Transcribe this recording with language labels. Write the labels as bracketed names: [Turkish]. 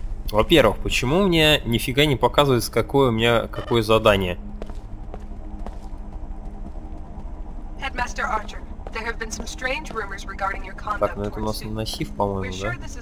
[Russian] Во-первых, почему мне нифига не показывается, какое у меня какое задание? [English] Headmaster Archer, there have been some strange rumors regarding your conduct. [Russian] Так, ну это у нас Насиф, по-моему, да?